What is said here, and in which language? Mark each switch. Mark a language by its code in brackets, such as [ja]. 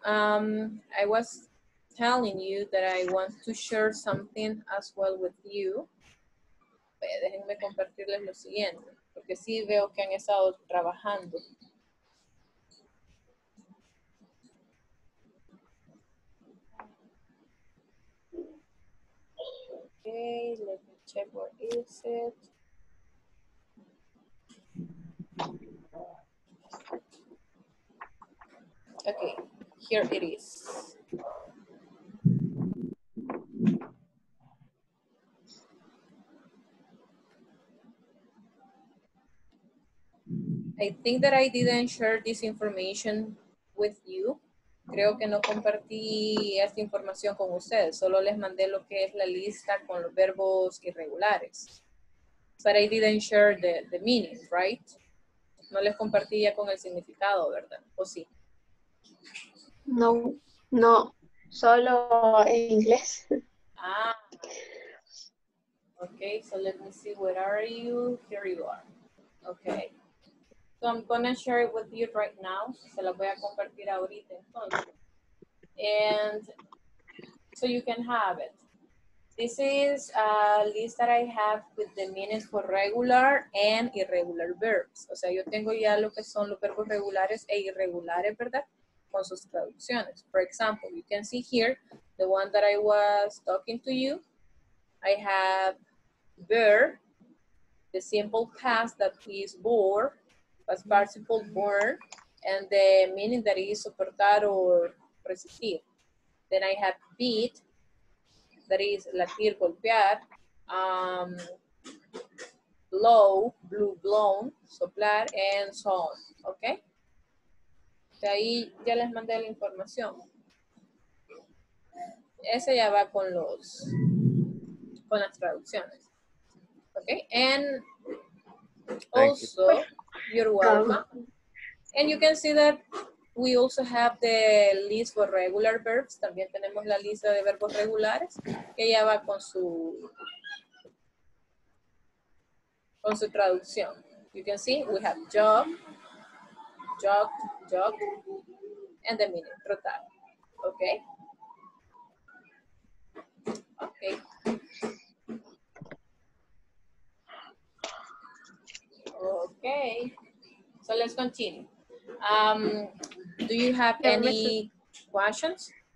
[en] I was telling you that I want to share something as well with you. [es] Déjenme compartirles lo siguiente, porque sí veo que han estado trabajando. [en] Okay, let me check what is it. Okay, here it is. I think that I didn't share this information with you. [es] Creo que no compartí esta información con ustedes. Solo les mandé lo que es la lista con los verbos irregulares. [en] But I didn't share the meaning, right? [es] No les compartí ya con el significado, ¿verdad? ¿O sí? No, no. Solo en inglés. [en] Ah. Okay, so let me see. Where are you? Here you are. Okay. So I'm going to share it with you right now. [es] Se la voy a compartir ahorita entonces. [en] And so you can have it. This is a list that I have with the meanings for regular and irregular verbs. [es] O sea, yo tengo ya lo que son los verbos regulares e irregulares, ¿verdad? Con sus traducciones. [en] For example, you can see here, the one that I was talking to you, I have verb, the simple past that is bore, past participle born, and the meaning that is soportar or resistir. Then I have beat, that is latir, golpear. Blow, blue blown, soplar, and so on. Okay? [es] De ahí ya les mandé la información. Ese ya va con las traducciones. [en] Okay, and also, you're welcome. And you can see that we also have the list for regular verbs. [es] También tenemos la lista de verbos regulares que ya va con su traducción. [en] You can see we have job, jog, jog, and the minute, trotar. Okay? Okay. Okay. So let's continue. Do you have any questions?